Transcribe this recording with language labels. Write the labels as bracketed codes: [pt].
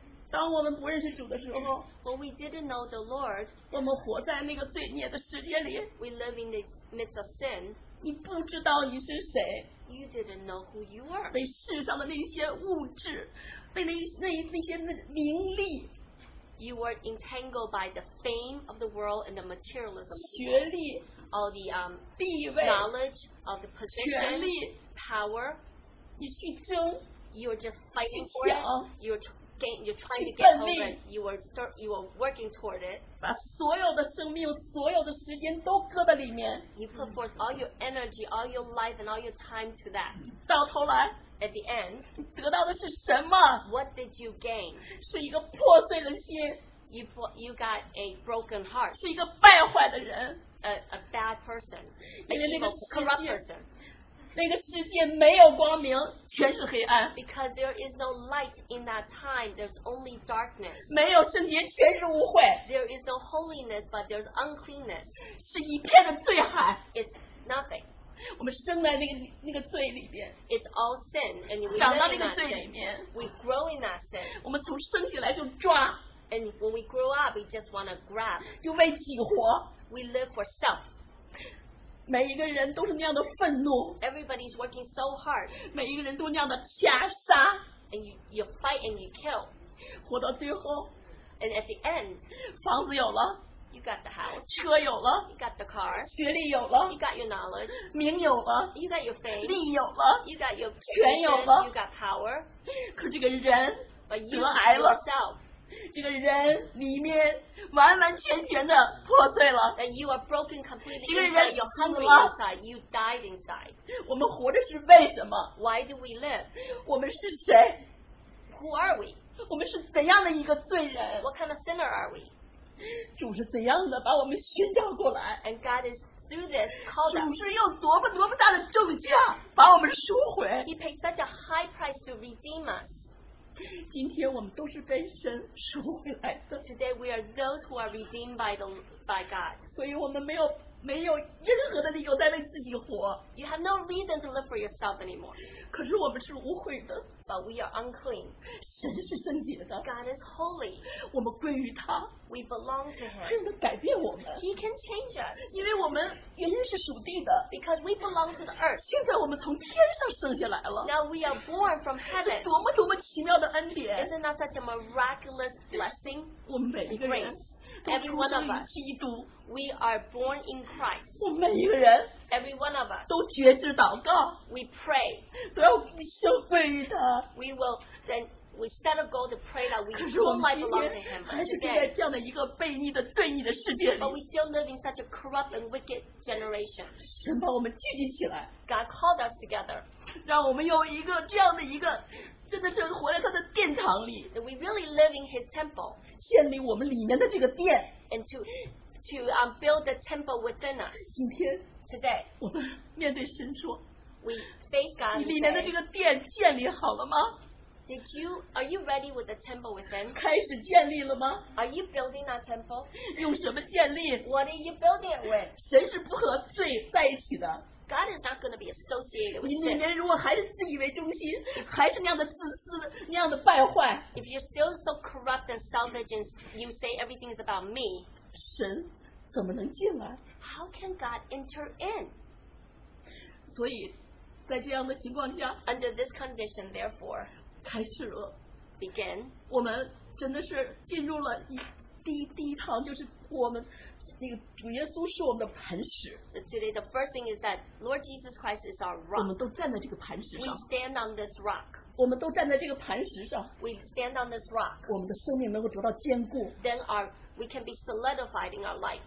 [zh] 当我们不认识主的时候 [en] ，When we didn't know the Lord， [zh] 我们活在那个罪孽的世界里 [en] ，We live in the midst of sin。 [zh] 你不知道你是谁 [en] ，You didn't know who you were。 [zh] 被世上的那些物质，被那些名利 [en] ，You were entangled by the fame of the world and the materialism。 [zh] 学历 [en] ，All the [zh] 地位 [en] ，Knowledge of the position， [zh] 权力 [en] ，Power， [zh] 你去争 [en] ，You're just fighting for it。 You're trying to get over it. You are working toward it. [zh] 把所有的生命、所有的时间都搁在里面。 [en] You put forth all your energy, all your life, and all your time to that. [zh] 到头来 [en] ，at the end， [zh] 得到的是什么 [en] ？What did you gain？ [zh] 是一个破碎的心。 [en] You got a broken heart. [zh] 是一个败坏的人。 [en] A bad person. [zh] 因为那个 [en] corrupt person。 [zh] 那个世界没有光明，全是黑暗。 [en] Because there is no light in that time, there's only darkness. [zh] 没有圣洁，全是污秽。 [en] There is no holiness, but there's uncleanness. [zh] 是一片的罪海。 [en] It's nothing. [zh] 我们生在那个罪里边。 [en] It's all sin, and we live in that sin. [zh] 长到那个罪里面。 [en] We grow in that sin. [zh] 我们从生起来就抓。 [en] And when we grow up, we just want to grab. [zh] 就为己活。 [en] We live for self. [zh] 每一个人都是那样的愤怒 [en] Everybody's working so hard [zh] 每一个人都那样的掐杀 [en] And you fight and you kill [zh] 活到最后 [en] And at the end [zh] 房子有了 [en] You got the house [zh] 车有了 [en] You got the car [zh] 学历有了 [en] You got your knowledge [zh] 名有了 [en] You got your fame [zh] 利有了 [en] You got your [zh] 权有了 [en] You got power [zh] 可这个人 [en] But you [zh] 得癌了 [en] yourself, [zh] 这个人里面完完全全的破碎了 [en] that you are broken completely [zh] 这个人 [en] you're hungry inside, you died inside [zh] 我们活着是为什么 [en] why do we live [zh] 我们是谁 [en] who are we [zh] 我们是怎样的一个罪人 [en] what kind of sinner are we [zh] 主是怎样的把我们寻找过来 [en] and God is through this called us [zh] 主是用多么大的重价把我们赎回 [en] he paid such a high price to redeem us [zh] 今天我们都是被神赎回来的。 [en] Today we are those who are redeemed by God. [zh] 所以我们没有任何的理由再为自己活。 [en] You have no reason to live for yourself anymore. [zh] 可是我们是污秽的。 [en] But we are unclean. [zh] 神是圣洁的。 [en] God is holy. [zh] 我们归于他。 [en] We belong to him. [zh] 他能改变我们。 [en] He can change us. [zh] 因为我们原先是属地的。 [en] Because we belong to the earth. [zh] 现在我们从天上生下来了。 [en] Now we are born from heaven. [zh] 多么多么奇妙的恩典。 [en] Isn't that such a miraculous blessing? [zh] 我们每一个人。 [en] Every one of us, we are born in Christ. [zh] 我每一个人 [en] every one of us, [zh] 都决志祷告 [en] we pray, [zh] 都要一生归于他 [en] we will, then we set a goal to pray that we don't belong to him. [zh] 可是我们今天还是在这样的一个悖逆的罪孽的世界里 [en] but we still live in such a corrupt and wicked generation. [zh] 神把我们聚集起来 [en] God called us together. [zh] 让我们有一个这样的一个真的是活在他的殿堂里 [en] that we really live in his temple. [zh] 建立我们里面的这个殿 [en] and to build the temple within us. [zh] 今天 [en] today, [zh] 我们面对神说 [en] we face God [zh] 你里面的这个殿建立好了吗 [en] Did you, are you ready with the temple within? [zh] 开始建立了吗 [en] Are you building that temple? [zh] 用什么建立 [en] What are you building it with? [zh] 神是不和罪在一起的 [en] God is not going to be associated with sin. [zh] 你里面如果还是自以为中心，还是那样的自私，那样的败坏。 [en] If you're still so corrupt and selfish, and you say everything is about me. [zh] 神怎么能进来 [en] ？How can God enter in? [zh] 所以，在这样的情况下 [en] ，Under this condition, therefore, [zh] 开始了 [en] ，begin. [zh] 我们真的是进入了第一堂，就是我们 [en] raft. So today the first thing is that Lord Jesus Christ is our rock. We stand on this rock. We stand on this rock. Then we can be solidified in our life.